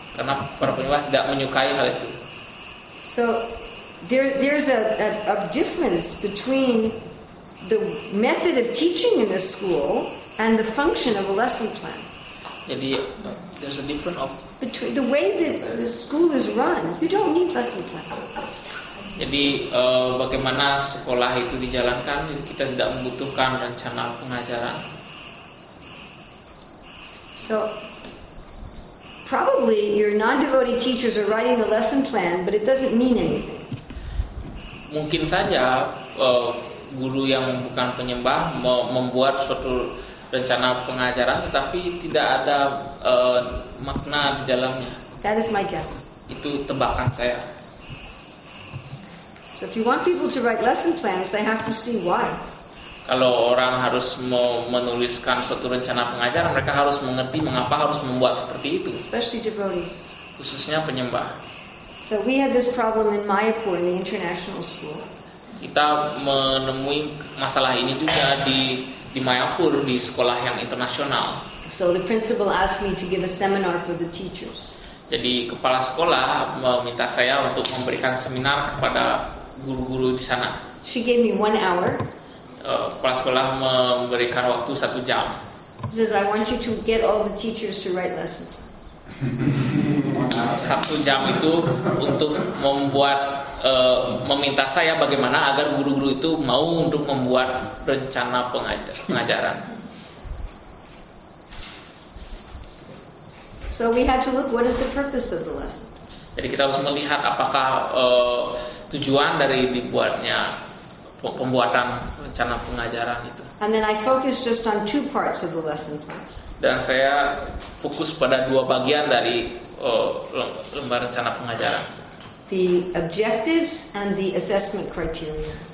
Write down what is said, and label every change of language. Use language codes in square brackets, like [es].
[id] Karena para penyembah tidak menyukai hal itu. [en] So there's a difference between the method of teaching in the school and the function of a lesson plan. Jadi there's a difference of between the way that the school is run. You don't need lesson plan. [id] Jadi bagaimana sekolah itu dijalankan, kita tidak membutuhkan rencana pengajaran. [en] So probably your non-devotee teachers are writing the lesson plan, but it doesn't mean anything. [id] Mungkin saja guru yang bukan penyembah membuat suatu rencana pengajaran, tetapi tidak ada makna di dalamnya. [en] That is my guess. [id] Itu tebakan saya. [en] So if you want people to write lesson plans, they have to see why. [id] Kalau orang harus menuliskan suatu rencana pengajaran, mereka harus mengerti mengapa harus membuat seperti itu. [en] Especially devotees. [id] Khususnya penyembah. [en] So we had this problem in Mayapur, in the international school. [id] Kita menemui masalah ini juga di Mayapur, di sekolah yang internasional. [en] So the principal asked me to give a seminar for the teachers. [id] Jadi kepala sekolah meminta saya untuk memberikan seminar kepada guru-guru di sana. [en] She gave me 1 hour. [id] Kepala sekolah memberikan waktu 1 jam. [en] She says, I want you to get all the teachers to write lessons. [id] 1 jam itu untuk membuat meminta saya bagaimana agar guru-guru itu mau untuk membuat rencana pengajaran. [en] So we have to look what is the purpose of the lesson. [id] Jadi kita harus melihat apakah tujuan dari dibuatnya pembuatan rencana pengajaran itu. [en] And then I focus just on 2 parts of the lesson plans. [id] Dan saya fokus pada 2 bagian dari lembar rencana pengajaran. [en] The objectives and the assessment criteria.